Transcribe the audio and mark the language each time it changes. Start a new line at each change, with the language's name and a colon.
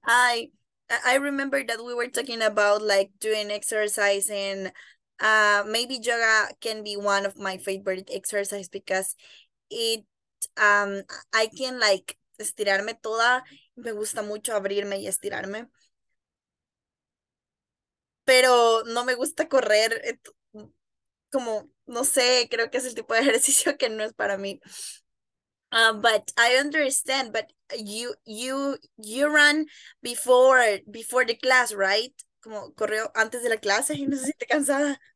English: I remember that we were talking about like doing exercise and maybe yoga can be one of my favorite exercise because it I can like
Spanish: estirarme toda. Me gusta mucho abrirme y estirarme. Pero no me gusta correr, como, no sé, creo que es el tipo de ejercicio que no es para mí.
English: But I understand, but you run before the class, right?
Spanish: Como corrió antes de la clase y no sé si te cansaba.